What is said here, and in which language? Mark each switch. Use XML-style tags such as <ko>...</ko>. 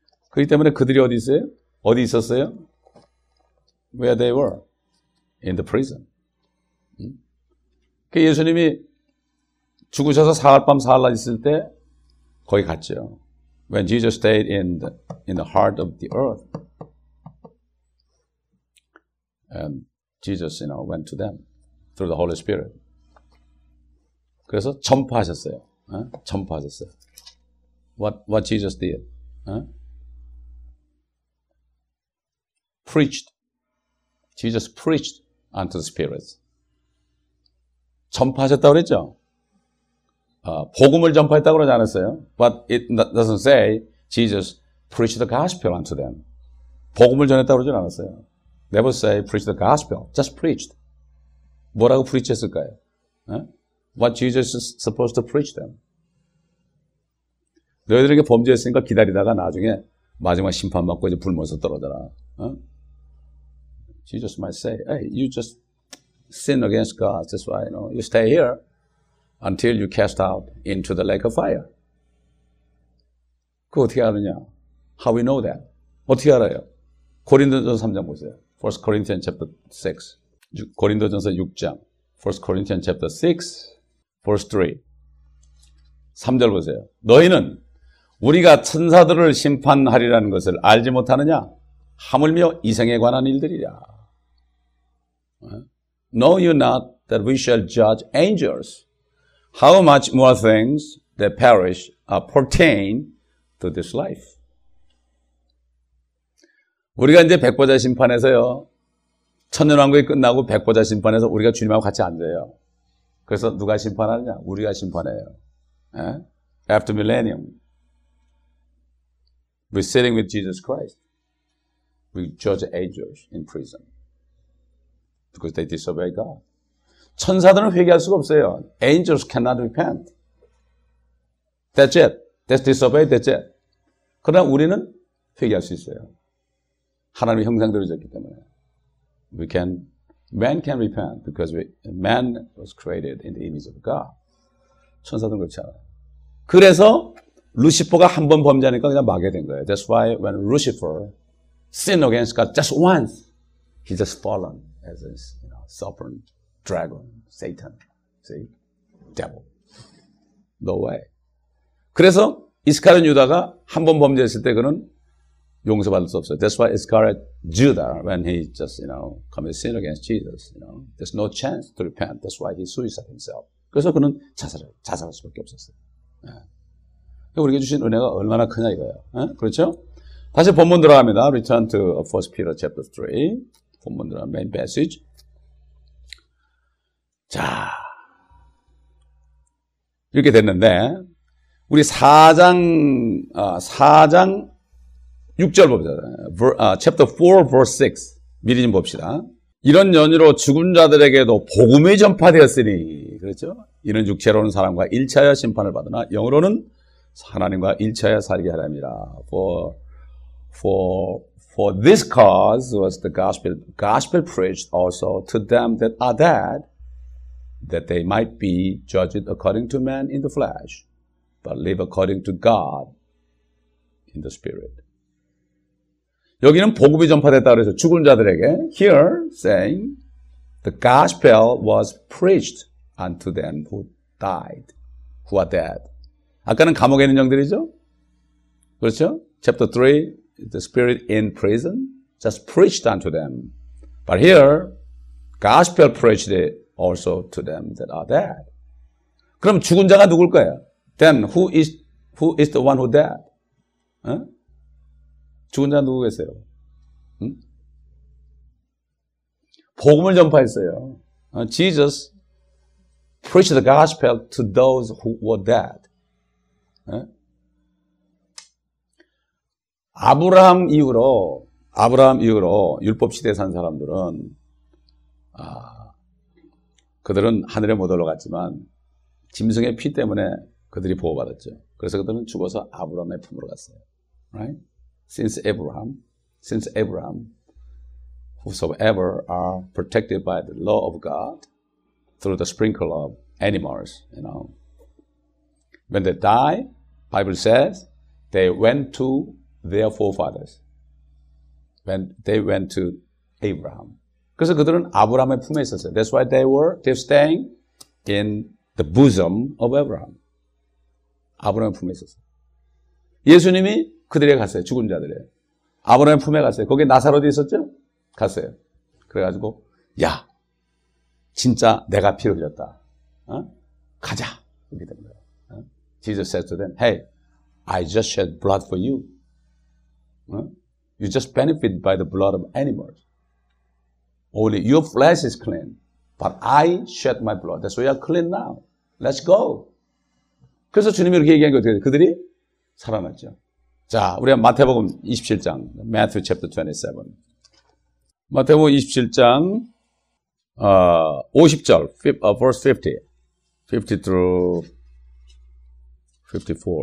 <ko>그렇기 때문에 그들이 어디 있어요? 어디 있었어요?</ko> <en>Where they were. In the prison.</en> <ko>예수님이 죽으셔서 사흘 밤 사흘 날 있을 때 거기 갔죠.</ko> <en>When Jesus stayed in the heart of the earth. And Jesus, you know, went to them through the Holy Spirit.</en> <ko>그래서 전파하셨어요. 전파하셨어요.</ko> <en>What Jesus did? Preached. Jesus preached unto the spirits.</en> <ko>전파하셨다고 그랬죠? 복음을 전파했다고 그러지 않았어요?</ko> <en>But it doesn't say Jesus preached the gospel unto them.</en> <ko>복음을 전했다고 그러지 않았어요?</ko> <en>Never say preach the gospel. Just preached.</en> <ko>뭐라고 preach 했을까요?</ko> <en>What Jesus is supposed to preach them.</en> <ko>너희들에게 범죄했으니까 기다리다가 나중에 마지막 심판받고 이제 불모에서 떨어져라.</ko> <en>Jesus might say, hey, you just sin against God. That's why, you know, you stay here until you cast out into the lake of fire.</en> <ko>그거 어떻게 아느냐?</ko> <en>How we know that?</en> <ko>어떻게 알아요? 고린도전서 3장 보세요.</ko> <en>1 Corinthians chapter 6.</en> <ko>고린도전서 6장.</ko> <en>1 Corinthians chapter 6, verse 3.</en> <ko>3절 보세요. 너희는 우리가 천사들을 심판하리라는 것을 알지 못하느냐? 하물며 이생에 관한 일들이야.</ko> <en>Know you not that we shall judge angels? How much more things that perish pertain to this life?</en> <ko>우리가 이제 백보좌 심판에서요, 천년왕국이 끝나고 백보좌 심판에서 우리가 주님하고 같이 앉아요. 그래서 누가 심판하느냐? 우리가 심판해요.</ko> <en>After millennium, we're sitting with Jesus Christ. We judge angels in prison. Because they disobey God.</en> <ko>천사들은 회개할 수가 없어요.</ko> <en>Angels cannot repent. That's it. That's disobey. That's it.</en> <ko>그러나 우리는 회개할 수 있어요. 하나님의 형상대로 졌기 때문에.</ko> <en>We can, man can repent because man was created in the image of God.</en> <ko>천사들은 그렇지 않아요. 그래서 루시퍼가 한 번 범죄하니까 그냥 막게 된 거예요.</ko> <en>That's why when Lucifer sinned against God just once, he just fallen. As a sovereign dragon, Satan, see, devil, no way.</en> <ko>그래서 이스카리온 유다가 한 번 범죄했을 때 그는 용서받을 수 없어요.</ko> <en>That's why Iscariot Judah, when he just, you know, committed sin against Jesus, you know, there's no chance to repent. That's why he suicided himself.</en> <ko>그래서 그는 자살할 수밖에 없었어요. 우리에게 주신 은혜가 얼마나 크냐 이거예요. 그렇죠? 다시 본문 들어갑니다.</ko> <en>Return to 1 Peter chapter 3.</en> <ko>본문들은</ko> <en>main passage.</en> <ko>자, 이렇게 됐는데 우리 4장 6절 봅시다.</ko> <en>Chapter 4, verse 6.</en> <ko>미리 좀 봅시다. 이런 연유로 죽은 자들에게도 복음이 전파되었으니, 그렇죠? 이는 육체로는 사람과 일치하여 심판을 받으나 영으로는 하나님과 일치하여 살게 하랍니다.</ko> <en>For this cause was the gospel preached also to them that are dead, that they might be judged according to man in the flesh, but live according to God in the spirit.</en> <ko>여기는 복음이 전파됐다 그래서 죽은 자들에게</ko> <en>here saying the gospel was preached unto them who died, who are dead.</en> <ko>아까는 감옥에 있는 영들이죠? 그렇죠?</ko> <en>Chapter 3. The spirit in prison just preached unto them. But here, gospel preached it also to them that are dead.</en> <ko>그럼 죽은 자가 누굴까요?</ko> <en>Then who is the one who dead?</en> <ko>죽은 자 누구 계세요? 복음을 전파했어요.</ko> <en>Jesus preached the gospel to those who were dead.</en> <ko>아브라함 이후로 율법 시대에 산 사람들은 그들은 하늘에 못 올라갔지만 짐승의 피 때문에 그들이 보호받았죠. 그래서 그들은 죽어서 아브라함의 품으로 갔어요.</ko> <en>Right? Since Abraham, whosoever are protected by the law of God through the sprinkle of animals, you know, when they die, Bible says they went to their forefathers. When they went to Abraham.</en> <ko>그래서 그들은 아브라함의 품에 있었어요.</ko> <en>That's why they're staying in the bosom of Abraham.</en> <ko>아브라함의 품에 있었어요. 예수님이 그들에 갔어요. 죽은 자들에. 아브라함의 품에 갔어요. 거기에 나사로도 있었죠? 갔어요. 그래가지고, 야, 진짜 내가 피를 흘렸다. 가자. 이렇게 된 거예요.</ko> <en>Jesus said to them, Hey, I just shed blood for you. You just benefit by the blood of animals. Only your flesh is clean, but I shed my blood. That's why you are clean now. Let's go.</en> <ko>그래서 주님이 이렇게 얘기한 게 어떻게 돼요? 그들이 살아났죠. 자, 우리가 마태복음 27장,</ko> <en>Matthew chapter 27.</en> <ko>마태복음 27장, 50절,</ko> <en>verse 50 through 54.</en>